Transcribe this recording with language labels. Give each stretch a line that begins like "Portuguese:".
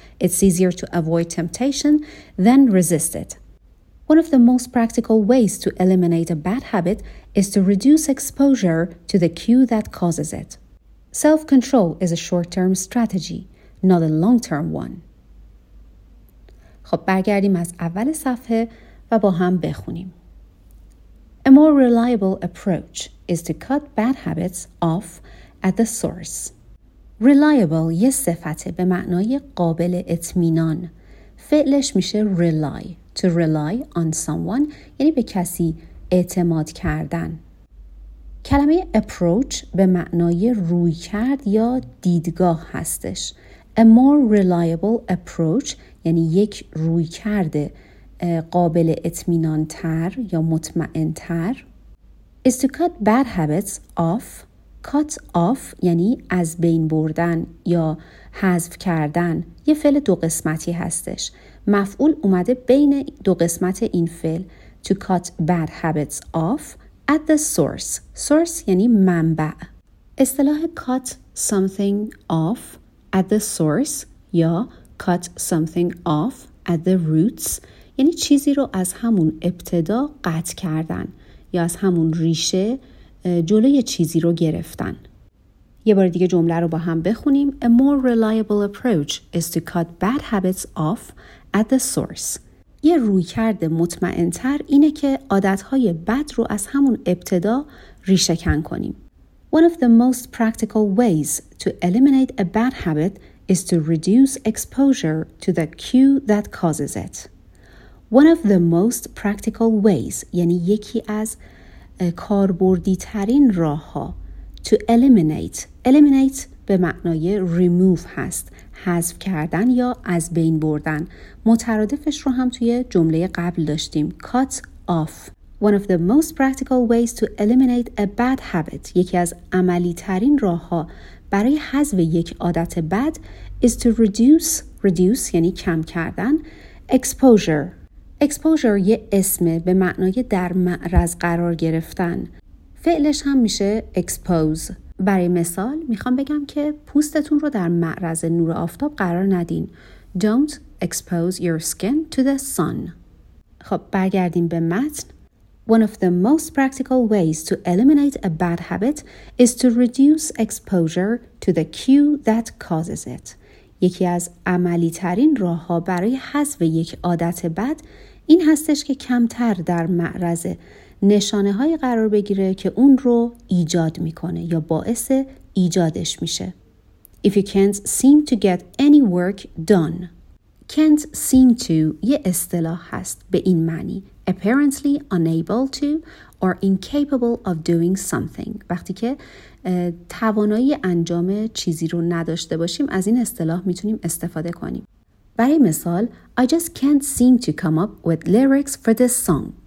English: It's easier to avoid temptation than resist it. One of the most practical ways to eliminate a bad habit is to reduce exposure to the cue that causes it. Self-control is a short-term strategy, not a long-term one.
Persian: خب برگردیم از اول صفحه و با هم بخونیم.
English: A more reliable approach is to cut bad habits off at the source.
Persian: Reliable یه صفته به معنای قابل اطمینان. فعلش میشه rely.
English: To rely on someone
Persian: یعنی به کسی اعتماد کردن. کلمه approach به معنای روی کرد یا دیدگاه هستش.
English: A more reliable approach
Persian: یعنی یک روی کرده قابل اطمینان تر یا مطمئن تر.
English: Is to cut bad habits off.
Persian: Cut off یعنی از بین بردن یا حذف کردن. یه فعل دو قسمتی هستش. مفعول اومده بین دو قسمت این فعل.
English: To cut bad habits off at the source.
Persian: Source یعنی منبع. اصطلاح
English: cut something off at the source
Persian: یا
English: cut something off at the roots
Persian: یعنی چیزی رو از همون ابتدا قطع کردن یا از همون ریشه جلوی چیزی رو گرفتن. یه بار دیگه جمله رو با هم بخونیم.
English: A more reliable approach is to cut bad habits off at the source.
Persian: یه رویکرد مطمئن‌تر اینه که عادت‌های بد رو از همون ابتدا ریشه کن کنیم.
English: One of the most practical ways to eliminate a bad habit is to reduce exposure to the cue that causes it. One of the most practical ways
Persian: یعنی یکی از کاربردی‌ترین راه‌ها
English: to eliminate
Persian: به معنای remove هست، حذف کردن یا از بین بردن. مترادفش رو هم توی جمله قبل داشتیم، cut off.
English: One of the most practical ways to eliminate a bad habit،
Persian: یکی از عملی ترین راه ها برای حذف یک عادت بد،
English: is to reduce
Persian: یعنی کم کردن،
English: exposure.
Persian: Exposure یه اسمه به معنای در معرض قرار گرفتن. فعلش هم میشه expose. برای مثال میخوام بگم که پوستتون رو در معرض نور آفتاب قرار ندین.
English: Don't expose your skin to the sun.
Persian: خب برگردیم به متن.
English: One of the most practical ways to eliminate a bad habit is to reduce exposure to the cue that causes it.
Persian: یکی از عملی ترین راه ها برای حذف یک عادت بد این هستش که کمتر در معرض نشانه های قرار بگیره که اون رو ایجاد میکنه یا باعث ایجادش میشه.
English: If you can't seem to get any work done. Can't seem to
Persian: یه اصطلاح هست به این معنی.
English: Apparently unable to or incapable of doing something.
Persian: وقتی که توانایی انجام چیزی رو نداشته باشیم از این اصطلاح میتونیم استفاده کنیم. برای مثال
English: I just can't seem to come up with lyrics for this song.